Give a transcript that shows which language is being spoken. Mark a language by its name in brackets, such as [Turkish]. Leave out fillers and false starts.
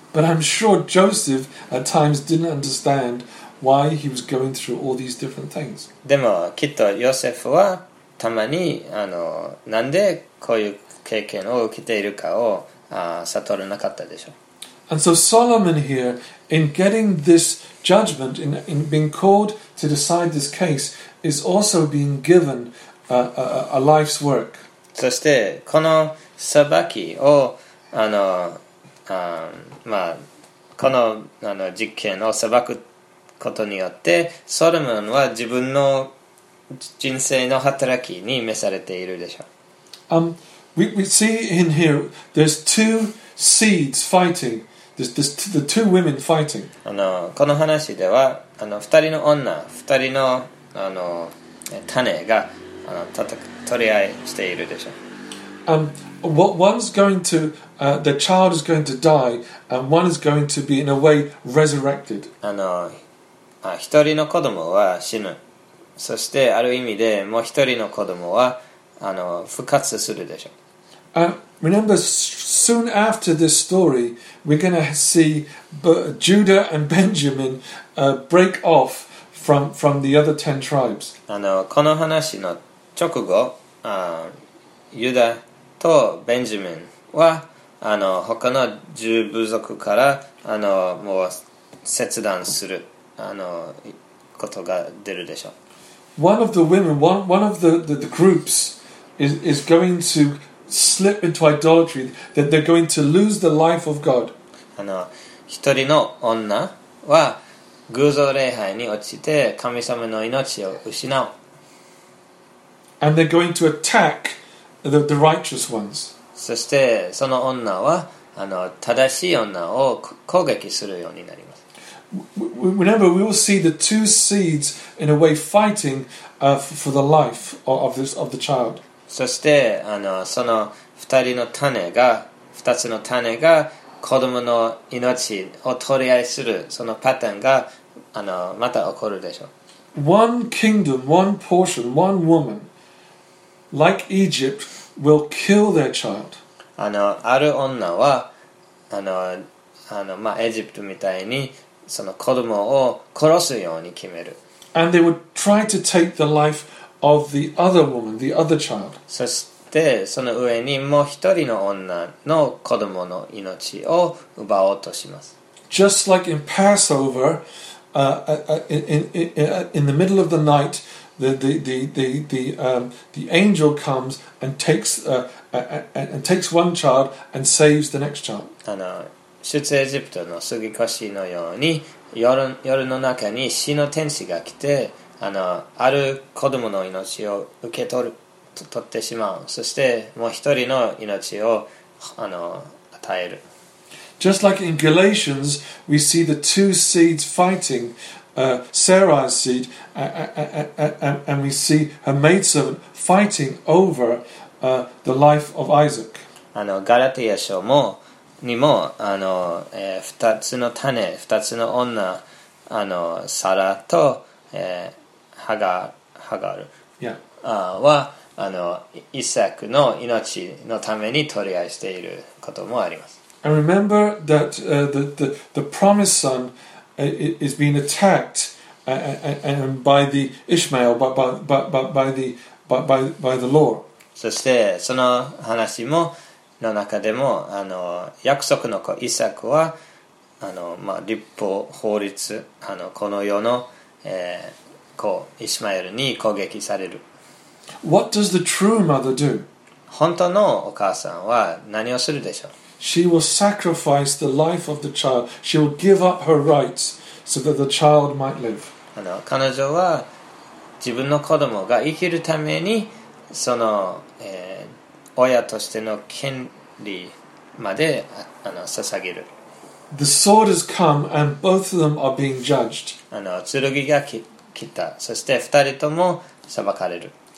[English] But I'm sure Joseph at times didn't understand why he was going through all these different things. [Japanese] でもきっとヨセフはたまに、なんでこういう経験を受けているかを悟らなかったでしょう。 [English] And so Solomon here, in getting this judgment, in being called to decide this case, is also being given a life's work. [Japanese] そしてこの裁きをまあこの実験を裁くことによって、ソロモンは自分の人生の働きに召されているでしょう。 [English] We see in here there's two seeds fighting. The two women fighting. [Japanese] この話では二人の女、二人の種が取り合いしているでしょう。 [English] What one's going to, the child is going to die, and one is going to be in a way resurrected. [Japanese] 一人の子供は死ぬ。そしてある意味でもう一人の子供は復活するでしょう。 [English] Remember, soon after this story, we're going to see Judah and Benjamin break off from the other ten tribes. [Japanese] この話の直後、ユダとベンジミンは他の十部族からもう切断することが出るでしょう。 [English] One of the women, one of the groups is going toslip into idolatry, that they're going to lose the life of God. [Japanese] 一人の女は偶像礼拝に落ちて神様の命を失う。 [English] And they're going to attack the righteous ones. [Japanese] そしてその女は正しい女を攻撃するようになります。 [English] Remember, we will see the two seeds in a way fighting for the life of the child. [Japanese] そしてその二人の種が、二つの種が子供の命を取り合いする、そのパターンがまた起こるでしょう。 [English] One kingdom, one portion, one woman, like Egypt, will kill their child. [Japanese] ある女はまあ、エジプトみたいにその子供を殺すように決める。 [English] And they would try to take the lifeOf the other woman, the other child. [Japanese] そしてその上にもう一人の女の子供の命を奪おうとします。 [English] Just like in Passover, in the middle of the night, the angel comes and takes one child and saves the next child. [Japanese] 出エジプトの過ぎ越しのように夜の中に死の天使が来て。ある子供の命を受け取る、取ってしまう。そしてもう一人の命を与える。 [English] Just like in Galatians, we see the two seeds fighting, Sarah's seed, and we see her maidservant fighting over the life of Isaac. [Japanese] ガラティア書もにも二つの種、二つの女、サラと、ハガール、 yeah. はイサクの命のために取り合いしていることもあります。 [English] And remember that the promised son is being attacked and by the Ishmael, by the law. [Japanese] そしてその話もの中でも約束の子イサクは立法法律この世の、子イシマエルに攻撃される。 [English] What does the true mother do? [Japanese] 本当のお母さんは何をするでしょう。 [English] She will sacrifice the life of the child. She will give up her rights so that the child might live. [Japanese] 彼女は自分の子供が生きるためにその、親としての権利まで捧げる。 [English] The sword has come and both of them are being judged. [Japanese] 剣が来た。そして二人とも裁かれる。